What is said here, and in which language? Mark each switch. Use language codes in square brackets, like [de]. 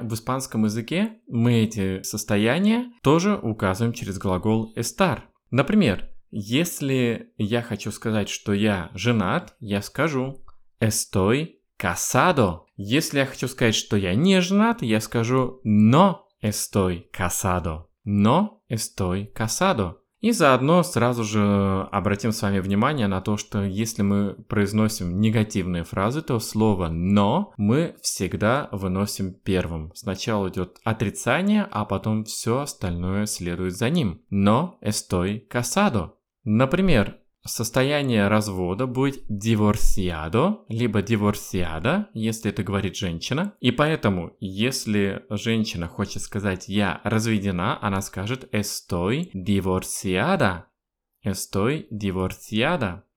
[ru] В испанском языке мы эти состояния тоже указываем через глагол estar. Например, если я хочу сказать, что я женат, я скажу [es] estoy casado. [ru] Если я хочу сказать, что я не женат, я скажу [es] no estoy casado. Но estoy casado. [ru] И заодно сразу же обратим с вами внимание на то, что если мы произносим негативные фразы, то слово но мы всегда выносим первым. Сначала идет отрицание, а потом все остальное следует за ним. [es] Но estoy casado. [ru] Например, состояние развода будет divorciado, либо divorciada, если это говорит женщина. И поэтому, если женщина хочет сказать «я разведена», она скажет [es] «estoy divorciada». «Estoy divorciada».